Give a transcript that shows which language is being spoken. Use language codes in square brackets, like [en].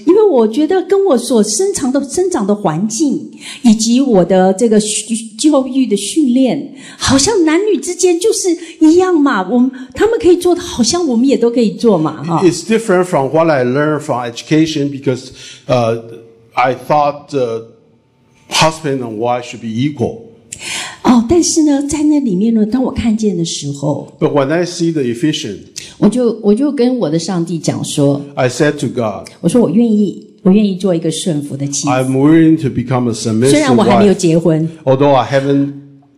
[zh] 因为我觉得跟我所生长的环境，以及我的这个教育的训练，好像男女之间就是一样嘛。他们可以做的，好像我们也都可以做嘛。 [en] It's different from what I learned from education because, I thought the husband and wife should be equal. [zh] 但是呢，在那里面呢，当我看见的时候 [en] ，But when I see the efficient. [zh] 我就跟我的上帝讲说 [en] ，I said to God， [zh] 我说我愿意做一个顺服的妻子。 [en] I'm willing to become a submissive wife。 [zh] 虽然我还没有结婚 [en] ，although I haven't married yet，